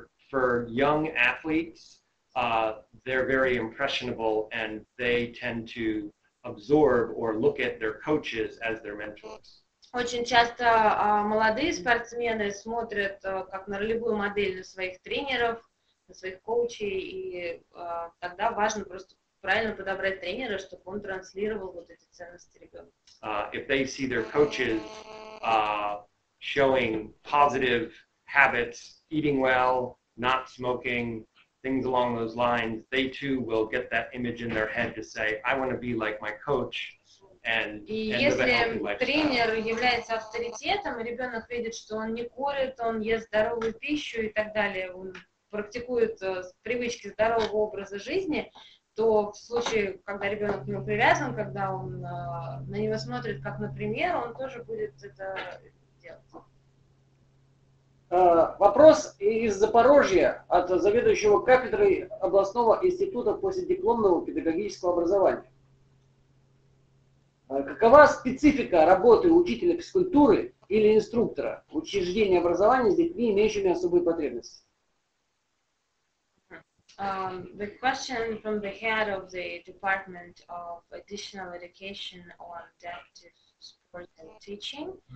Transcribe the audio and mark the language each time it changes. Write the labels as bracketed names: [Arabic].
[English] For young athletes, they're very impressionable, and they tend to absorb or look at their coaches as their mentors. [Russian] Очень часто молодые спортсмены смотрят как на ролевую модель на своих тренеров, своих коучей, и тогда важно просто правильно подобрать тренера, чтобы он транслировал вот эти ценности ребенка. [English] If they see their coaches showing positive habits, eating well, not smoking, things along those lines, they too will get that image in their head to say, I want to be like my coach, and [Russian] и если тренер является авторитетом, и ребенок видит, что он не курит, он ест здоровую пищу и так далее, он практикует привычки здорового образа жизни, то в случае, когда ребенок к нему привязан, когда он на него смотрит как на пример, он тоже будет это делать. Вопрос из Запорожья от заведующего кафедрой областного института последипломного педагогического образования. Какова специфика работы учителя физкультуры или инструктора учреждения образования с детьми, имеющими особые потребности? [English] The question from the head of the Department of Additional Education or Adaptive Sports and Teaching.